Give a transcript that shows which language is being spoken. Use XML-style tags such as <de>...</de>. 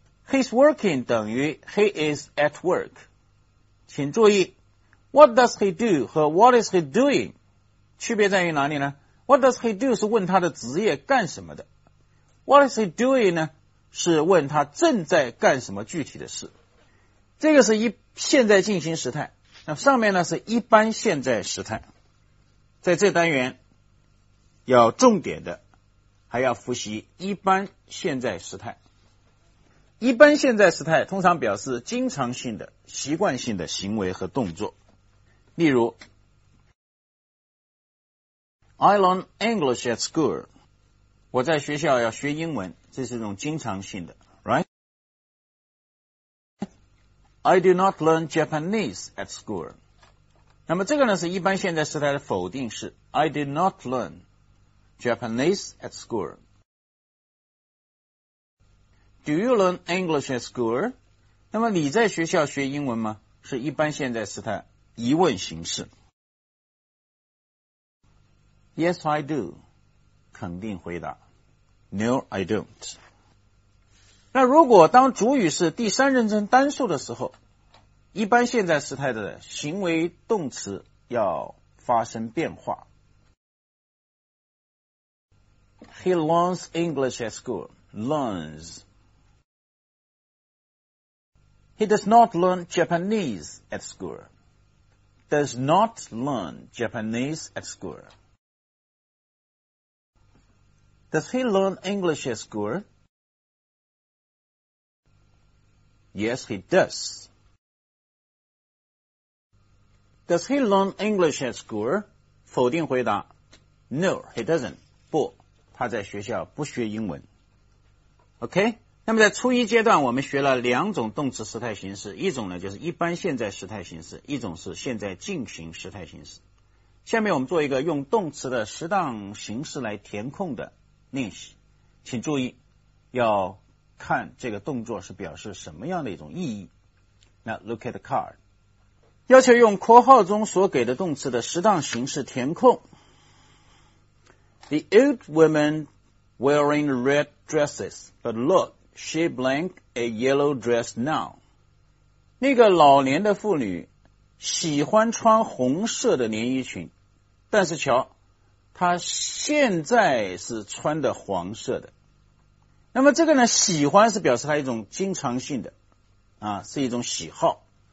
<en>He's working</en> <zh>等于</zh> <en>he is at work.</en> <zh>请注意</zh> <en>What does he do 和 what is he doing</en> <zh>区别在于哪里呢？</zh> <en>What does he do</en> <zh>是问他的职业干什么的。</zh> <en>What is he doing 呢？</en> <zh>是问他正在干什么具体的事。这个是一现在进行时态，那上面呢是一般现在时态。在这单元要重点的还要复习一般现在时态。一般现在时态通常表示经常性的习惯性的行为和动作。例如</zh> <en>I learn English at school.</en> <zh>我在学校要学英文，这是一种经常性的 right?</zh> <en>I do not learn Japanese at school.</en> <zh>那么这个呢是一般现在时态的否定式</zh> <en>I do not learnJapanese at school. Do you learn English at school?</en> <zh>那么你在学校学英文吗？是一般现在时态疑问形式。</zh> <en>Yes, I do.</en> <zh>肯定回答。</zh> <en>No, I don't.</en> <zh>那如果当主语是第三人称单数的时候，一般现在时态的行为动词要发生变化。</zh> <en>He learns English at school. Learns. He does not learn Japanese at school. Does not learn Japanese at school. Does he learn English at school? Yes, he does. Does he learn English at school?</en> <zh>否定回答</zh> <en>No, he doesn't.</en> <zh>不他在学校不学英文。OK? 那么在初一阶段我们学了两种动词时态形式，一种呢就是一般现在时态形式，一种是现在进行时态形式。下面我们做一个用动词的适当形式来填空的练习。请注意，要看这个动作是表示什么样的一种意义。</zh> <en>那 look at the card。</en> <zh>要求用括号中所给的动词的适当形式填空。</zh> <en>The old woman wearing red dresses, but look, she blank a yellow dress now.</en> <zh>那个老年的妇女喜欢穿红色的连衣裙，但是瞧，她现在是穿的黄色的。那么这个呢，喜欢是表示她一种经常性的，啊，是一种喜好。</zh>